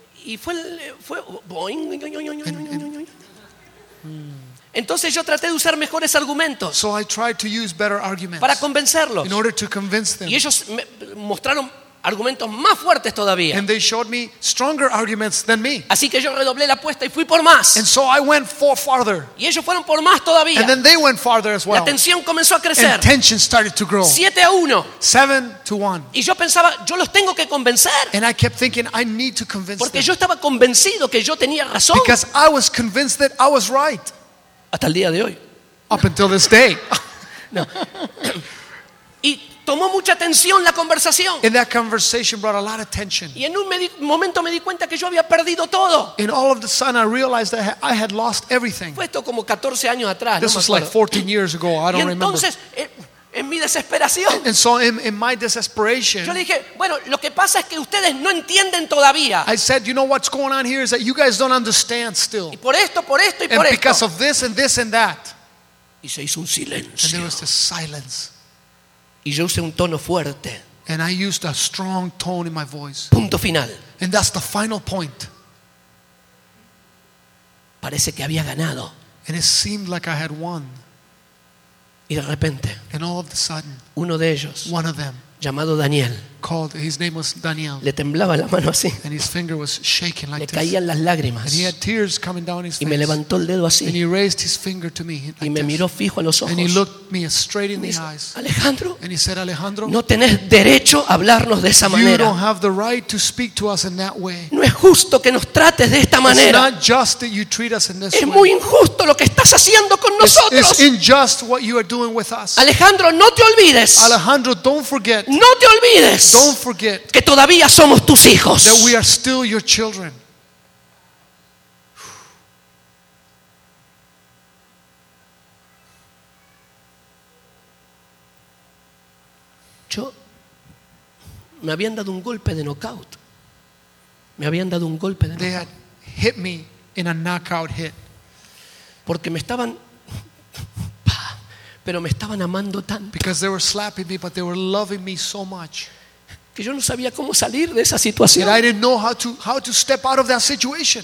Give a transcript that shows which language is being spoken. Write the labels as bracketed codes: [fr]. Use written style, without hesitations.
[es] Y fue boing, boing, boing, boing, boing, boing, boing. Entonces yo traté de usar mejores argumentos, [en] so I tried to use better arguments, [es] para convencerlos, [en] in order to convince them. [es] Y ellos me mostraron argumentos más fuertes todavía. [en] And they showed me stronger arguments than me. [es] Así que yo redoblé la apuesta y fui por más. [en] And so I went for farther. [es] Y ellos fueron por más todavía. [en] And then they went farther as well. [es] La tensión comenzó a crecer. [en] And tension started to grow. 7-1. 7-1. [es] Y yo pensaba, yo los tengo que convencer. [en] And I kept thinking, I need to convince [es] Porque [en] them. [es] Yo estaba convencido que yo tenía razón. [en] Because I was convinced that I was right. [es] Hasta el día de hoy. [en] Up until this day. [es] No. Y tomó mucha tensión la conversación. [en] And that conversation brought a lot of tension. [es] Y en un momento me di cuenta que yo había perdido todo. [en] And all of a sudden I realized that I had lost everything. [es] Fue esto como 14 años atrás. [en] This was like 14 years ago. I don't remember. [es] Y entonces, en mi desesperación. [en] And so in my desperation. [es] Yo le dije, bueno, lo que pasa es que ustedes no entienden todavía. [en] I said, you know what's going on here is that you guys don't understand still. [es] Y por esto y por esto. [en] And because of this and this and that. [es] Y se hizo un silencio. [en] And there was this silence. [es] Y yo usé un tono fuerte. [en] And I used a strong tone in my voice. [es] Punto final. [en] And that's the final point. [es] Parece que había ganado. [en] And it seemed like I had won. [es] Y de repente, [en] and all of a sudden, [es] uno de ellos, [en] one of them, [es] llamado Daniel, [en] called, his name was Daniel, [es] le temblaba la mano así, [en] and his finger was shaking like [es] le caían [en] this, [es] las lágrimas, [en] and he had tears coming down his [es] y me levantó el dedo así, [en] and he raised his finger to me, like [es] y me [en] this, [es] miró fijo a los ojos, [en] and he looked me straight in the eyes, [es] Alejandro, [en] and he said, Alejandro, [es] no tenés derecho a hablarnos de esa manera, [en] you don't have the right to speak to us in that way, [es] no es justo que nos trates de esta manera, [en] it's not just that you treat us in this [es] es [en] way, [es] es muy injusto lo que estás haciendo con nosotros, [en] it's unjust what you are doing with us, [es] Alejandro, no te olvides, [en] Alejandro, don't forget, [es] no te olvides. [en] Don't forget [es] que todavía somos tus hijos. [en] That we are still your children. [es] Yo me habían dado un golpe de knockout. Me habían dado un golpe de knockout. [en] They had hit me in a knockout hit. [es] Porque me estaban pero me estaban amando tanto. [en] Because they were slapping me, but they were loving me so much. [es] Que yo no sabía cómo salir de esa situación. [en] And I didn't know how to step out of that situation.